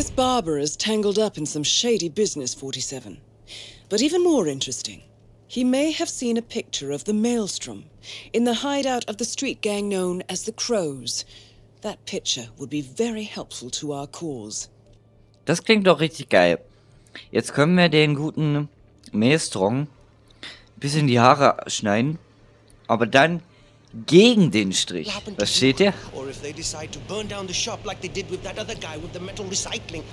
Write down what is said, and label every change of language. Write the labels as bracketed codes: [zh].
[en] This barber is tangled up in some shady business, 47. But even more interesting, he may have seen a picture of the Maelstrom in the hideout of the street gang known as the Crows. That picture would be very helpful to our cause. [de] Das klingt doch richtig geil. Jetzt können wir den guten Maelstrom ein bisschen die Haare schneiden, aber dann gegen den Strich. Versteht ihr? [en] Or if they decide to burn down the shop like they did with that other guy with the metal recycling.